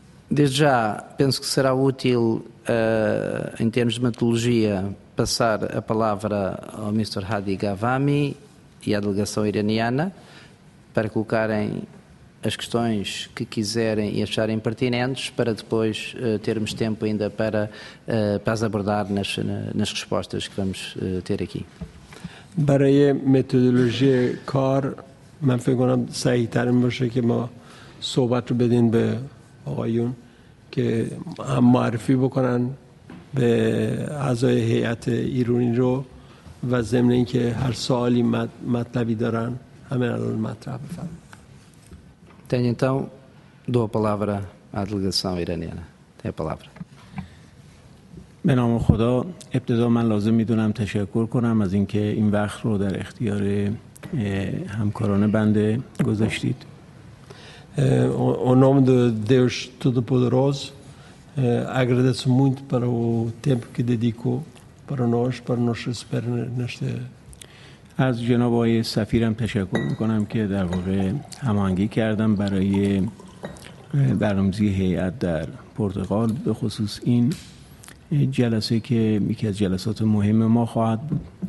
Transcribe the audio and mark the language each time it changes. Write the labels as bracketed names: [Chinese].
[Portuguese] Desde já, penso que será útil, em termos de metodologia, passar a palavra ao Sr. Hadi Gavami e à delegação iraniana para colocarem as questões que quiserem e acharem pertinentes para depois, termos tempo ainda para as abordar nas respostas que vamos, ter aqui. [Persian] برای متدولوژی کار من فکر کنم صحیح تر باشه که ما صحبت رو بدین به آقایون که هم معرفی بکنن به اعضای هیئت ایرونی رو و ضمن اینکه هر سوالی مطلبی دارن همه الان مطرح بفرمایید. [Portuguese] Tenho então, dou a palavra à delegação iraniana. Tem a palavra. [Persian] به نام خدا ابتدا من لازم میدونم تشکر کنم از اینکه این وقت رو در اختیار همکاران بنده گذاشتید. [Portuguese] Em nome de Deus Todo-Poderoso, agradeço muito para o tempo que dedicou para nós, para nos receber neste. [Persian] از جناب آقای سفیرم تشکر میکنم که در واقع هماهنگی کردم برای برنامه‌ریزی هیئت در پرتغال، به خصوص این جلسه که یکی از جلسات مهم ما خواهد بود.